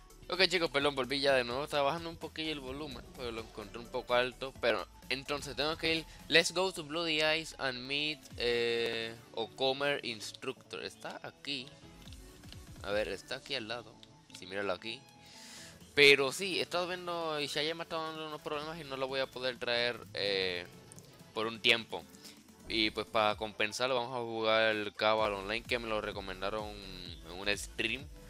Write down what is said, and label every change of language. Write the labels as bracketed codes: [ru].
[es] Ok, chicos, perdón, volví ya de nuevo. Estaba bajando un poquillo el volumen, pero lo encontré un poco alto. Pero entonces tengo que ir. [en] Let's go to Bloody Eyes and meet O'Comer Instructor. [es] Está aquí. A ver, está aquí al lado. Sí, míralo aquí. Pero sí, he estado viendo. Y Shaya me ha estado dando unos problemas y no lo voy a poder traer por un tiempo. Y pues para compensarlo, vamos a jugar el Cabal Online que me lo recomendaron en un stream.